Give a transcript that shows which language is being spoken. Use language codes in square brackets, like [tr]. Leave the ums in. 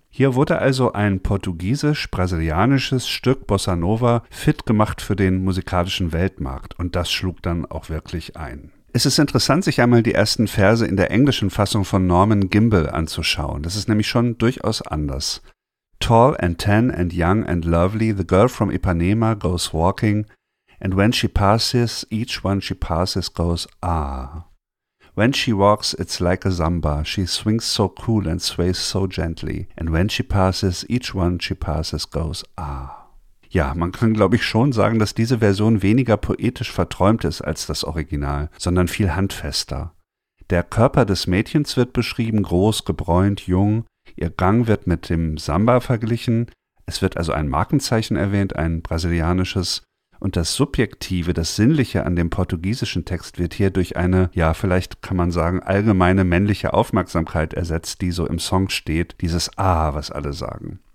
[de] Hier wurde also ein portugiesisch-brasilianisches Stück Bossa Nova fit gemacht für den musikalischen Weltmarkt und das schlug dann auch wirklich ein. Es ist interessant, sich einmal die ersten Verse in der englischen Fassung von Norman Gimbel anzuschauen. Das ist nämlich schon durchaus anders. [en] Tall and tan and young and lovely, the girl from Ipanema goes walking, and when she passes, each one she passes goes ah. When she walks, it's like a zamba. She swings so cool and sways so gently. And when she passes, each one she passes goes ah. [de] Ja, man kann glaube ich schon sagen, dass diese Version weniger poetisch verträumt ist als das Original, sondern viel handfester. Der Körper des Mädchens wird beschrieben, groß, gebräunt, jung. Ihr Gang wird mit dem Samba verglichen. Es wird also ein Markenzeichen erwähnt, ein brasilianisches, und das Subjektive, das Sinnliche an dem portugiesischen Text wird hier durch eine, ja, vielleicht kann man sagen, allgemeine männliche Aufmerksamkeit ersetzt, die so im Song steht, dieses Ah, was alle sagen.